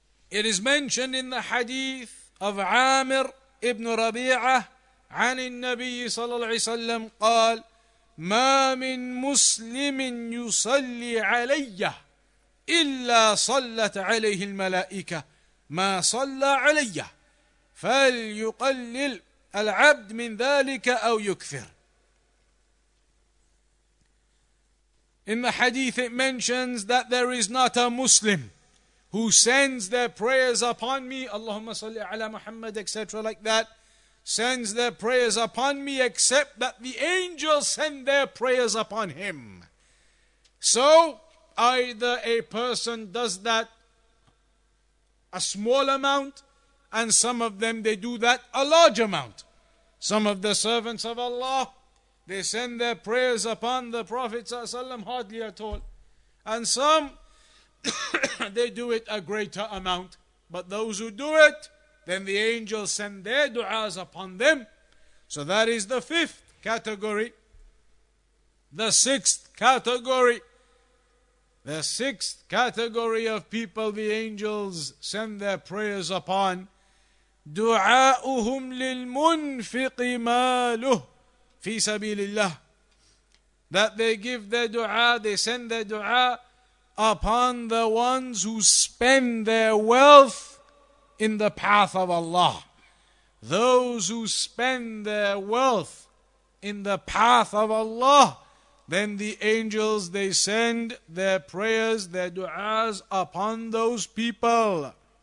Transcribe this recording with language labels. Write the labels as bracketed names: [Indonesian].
[English] It is mentioned in the hadith of Amir ibn Rabi'ah [Arabic] عن النبي صلى الله عليه وسلم قال ما من مسلم يصلي علي إلا صلت عليه الملائكة ما صلى علي فليقلل العبد من ذلك أو يكثر. [English] In the hadith it mentions that there is not a Muslim who sends their prayers upon me, [Arabic] Allahumma salli ala Muhammad, [English] etc., like that. sends their prayers upon me, except that the angels send their prayers upon him. So, either a person does that a small amount, and some of them, they do that a large amount. Some of the servants of Allah, they send their prayers upon the Prophet ﷺ hardly at all. And some, they do it a greater amount. But those who do it, then the angels send their du'as upon them. So that is the fifth category. The sixth category. The sixth category of people the angels send their prayers upon. [Arabic] دعاؤهم للمنفق ماله في سبيل الله. [English] That they give their dua, they send their dua upon the ones who spend their wealth in the path of Allah. Those who spend their wealth in the path of Allah, then the angels, they send their prayers, their du'as upon those people.